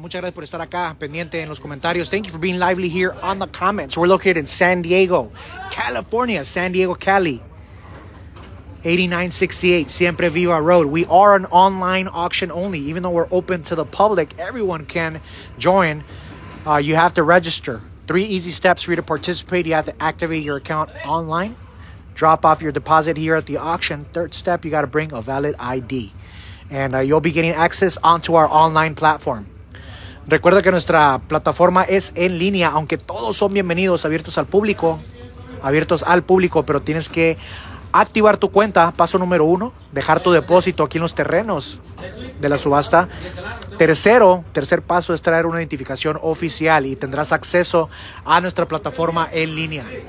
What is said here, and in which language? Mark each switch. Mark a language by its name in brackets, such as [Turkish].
[Spanish] Muchas gracias por estar acá pendiente en los comentarios. [English] Thank you for being lively here on the comments. We're located in San Diego, California. San Diego, Cali. 8968 Siempre Viva Road. We are an online auction only. Even though we're open to the public, everyone can join. You have to register. Three easy steps for you to participate. You have to activate your account online. Drop off your deposit here at the auction. Third step, you got to bring a valid ID. And you'll be getting access onto our online platform. [Spanish] Recuerda que nuestra plataforma es en línea, aunque todos son bienvenidos, abiertos al público, pero tienes que activar tu cuenta. Paso número uno, dejar tu depósito aquí en los terrenos de la subasta. Tercer paso es traer una identificación oficial y tendrás acceso a nuestra plataforma en línea.